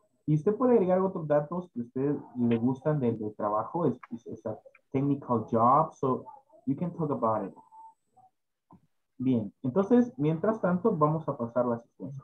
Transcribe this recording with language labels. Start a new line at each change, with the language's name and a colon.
Spanish: Y usted puede agregar otros datos que a usted le gustan del trabajo.
English: Es a technical job, so you can talk about it.
Spanish: Bien, entonces, mientras tanto, vamos a pasar la asistencia.